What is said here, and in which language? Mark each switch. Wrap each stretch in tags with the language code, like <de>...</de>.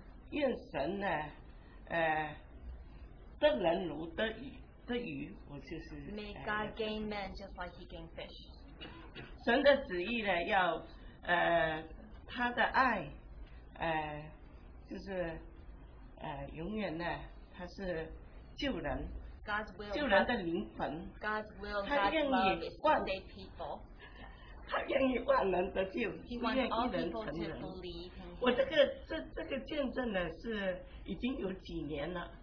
<zh>愿神呢, 得人如得鱼, 我就是,</zh> <en>may God gain men just like he gained fish.</en> <zh>神的旨意呢, 要, 他的爱, 就是, 永远呢, 他是救人,</zh> <en>God's will,</en> <zh>救人的灵魂,</zh> <en>God's will, God's love is to save people. He wants all people to believe.</en> <zh>我这个见证呢是已经有几年了。</zh>